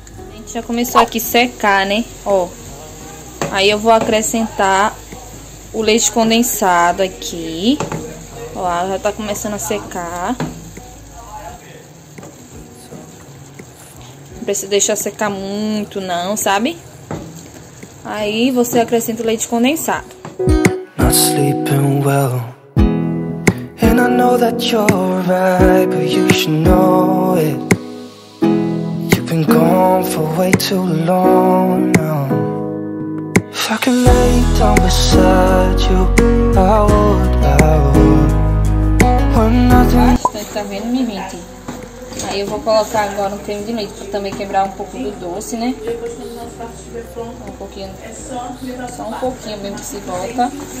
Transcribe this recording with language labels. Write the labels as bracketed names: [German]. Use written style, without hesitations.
[Portuguese] A gente já começou aqui a secar, né? Ó. Aí eu vou acrescentar o leite condensado aqui. Ó, já tá começando a secar. Não precisa deixar secar muito, não, sabe? Aí você acrescenta o leite condensado. [English] Not sleeping well. And I know that you're right, but you should know it. You've been gone for way too long now. If I could lay down beside you, I would, I would. When nothing. [Portuguese] Tá vendo, minha gente? Aí eu vou colocar agora um creme de leite pra também quebrar um pouco do doce, né? Um pouquinho. Só um pouquinho mesmo que se volta.